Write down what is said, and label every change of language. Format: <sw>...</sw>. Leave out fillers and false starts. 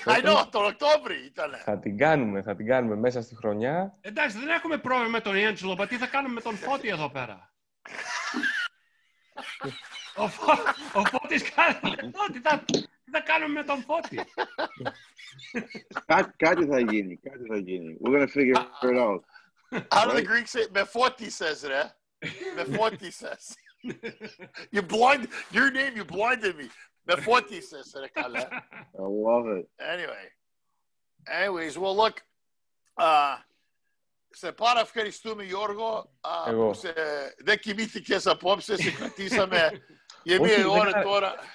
<en>I know,</en> <el>τον Οκτώβριο ήταν. Θα την κάνουμε μέσα στη χρονιά. Εντάξει, δεν έχουμε πρόβλημα με τον Άντζελο, αλλά τι θα κάνουμε με τον Φώτη εδώ πέρα. Ο Φώτης κάνει. Τι θα κάνουμε με τον Φώτη? Κάτι θα γίνει.</el> <en>We're gonna figure it out. How do the Greeks say με Φώτη says, ρε?</en> <el>Με Φώτη says.</el> <en>You blind your name, you blinded me.</en> <el>Με Φώτη says, ρε καλέ.</el> <en>I love it. Anyways, well look.</en> <el>Σε πάρα ευχαριστούμε, Γιώργο. Εγώ. Δεν κοιμήθηκες απόψε, σε κρατήσαμε για μία ώρα τώρα.</el>